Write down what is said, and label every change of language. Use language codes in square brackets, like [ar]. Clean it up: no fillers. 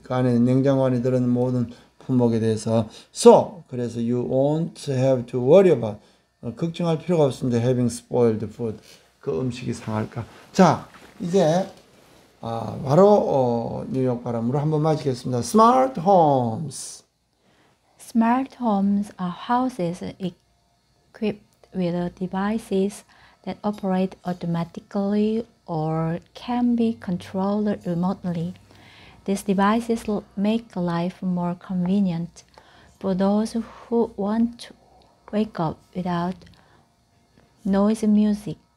[ko] 그 안에 냉장고 안에 들은 모든 품목에 대해서. [en] So, 그래서 you won't have to worry about. [ko] 걱정할 필요가 없습니다. [en] Having spoiled food. [ko] 그 음식이 상할까. 자, 이제. 아, 바로 뉴욕 발음으로 한번 마치겠습니다. [en] Smart homes. Smart homes are houses equipped with devices that operate automatically or can be controlled remotely. These devices make life more convenient for those who want to wake up without noisy music.